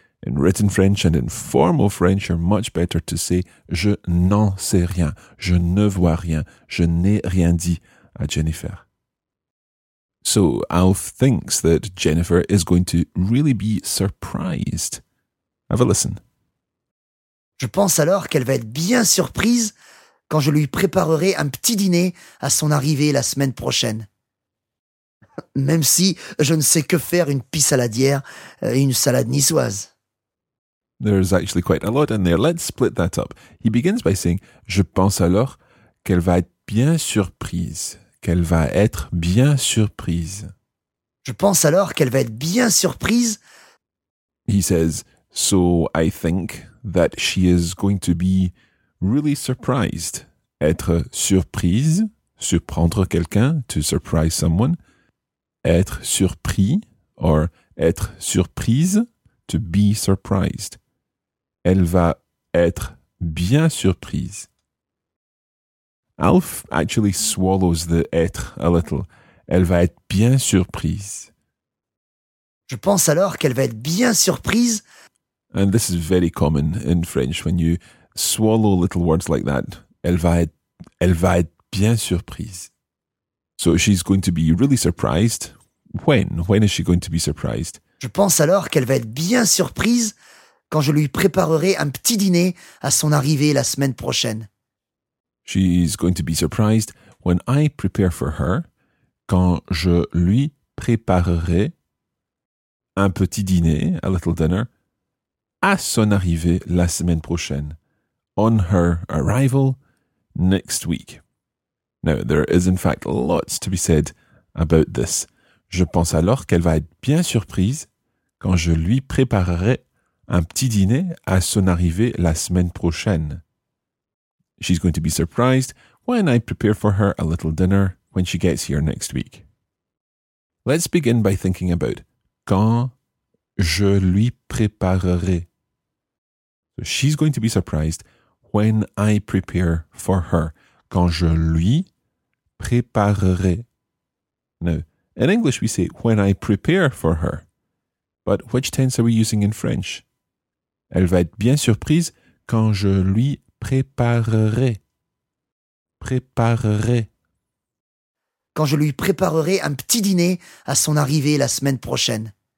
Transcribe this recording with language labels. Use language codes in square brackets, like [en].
[en] In written French and in formal French, you're much better to say [fr] je n'en sais rien, je ne vois rien, je n'ai rien dit à Jennifer. [en] So Alf thinks that Jennifer is going to really be surprised. Have a listen. [fr] Je pense alors qu'elle va être bien surprise quand je lui préparerai un petit dîner à son arrivée la semaine prochaine. Même si je ne sais que faire une pie saladière et une salade niçoise. [en] There's actually quite a lot in there. Let's split that up. He begins by saying, [fr] je pense alors qu'elle va être bien surprise. Qu'elle va être bien surprise. Je pense alors qu'elle va être bien surprise. [en] He says, so I think that she is going to be really surprised. [fr] Être surprise, surprendre quelqu'un, [en] to surprise someone. [fr] Être surpris, or être surprise, [en] to be surprised. [fr] Elle va être bien surprise. [en] Alf actually swallows the être a little. [fr] Elle va être bien surprise. Je pense alors qu'elle va être bien surprise. [en] And this is very common in French when you swallow little words like that. [fr] Elle va être bien surprise. [en] So she's going to be really surprised. When is she going to be surprised? [fr] Je pense alors qu'elle va être bien surprise. Quand je lui préparerai un petit dîner à son arrivée la semaine prochaine. [en] She's going to be surprised when I prepare for her, [fr] quand je lui préparerai un petit dîner, [en] a little dinner, [fr] à son arrivée la semaine prochaine. [en] On her arrival next week. Now, there is in fact lots to be said about this. [fr] Je pense alors qu'elle va être bien surprise quand je lui préparerai un petit dîner à son arrivée la semaine prochaine. [en] She's going to be surprised when I prepare for her a little dinner when she gets here next week. Let's begin by thinking about [fr] quand je lui préparerai. [en] So she's going to be surprised when I prepare for her. [fr] Quand je lui préparerai. [en] Now, in English we say when I prepare for her. But which tense are we using in French? [fr] Elle va être bien surprise quand je lui préparerai. Préparerai. Quand je lui préparerai un petit dîner à son arrivée la semaine prochaine.